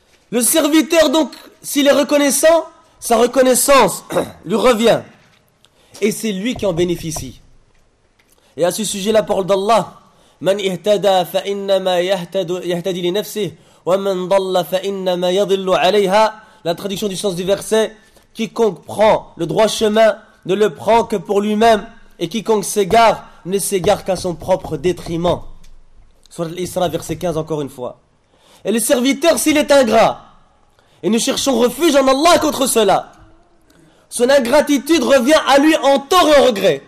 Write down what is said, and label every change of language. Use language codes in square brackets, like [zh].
[fr] Le serviteur donc, s'il est reconnaissant, sa reconnaissance lui revient. Et c'est lui qui en bénéficie. Et à ce sujet, la parole d'Allah, [ar] من اهتدى فإنما يهتدي لنفسه ومن ضل فإنما يضل عليها. [fr] La traduction du sens du verset, quiconque prend le droit chemin ne le prend que pour lui-même et quiconque s'égare ne s'égare qu'à son propre détriment. Sourate l'Isra, verset 15, encore une fois. Et le serviteur, s'il est ingrat et nous cherchons refuge en Allah contre cela, son ingratitude revient à lui en tort et en regret.